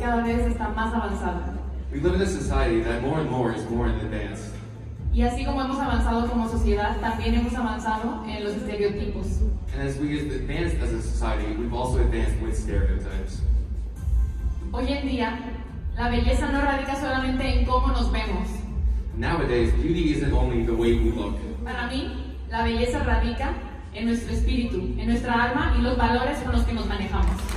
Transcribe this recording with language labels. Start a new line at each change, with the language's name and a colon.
English: We live in a society that more and more is more in advance.
Spanish: Y así como hemos avanzado como sociedad, también hemos avanzado en los estereotipos.
English: And as we have advanced as a society, we've also advanced with stereotypes.
Spanish: Hoy en día, la belleza no radica solamente en cómo nos vemos.
English: Nowadays, beauty isn't only the way we look.
Spanish: Para mí, la belleza radica en nuestro espíritu, en nuestra alma y los valores con los que nos manejamos.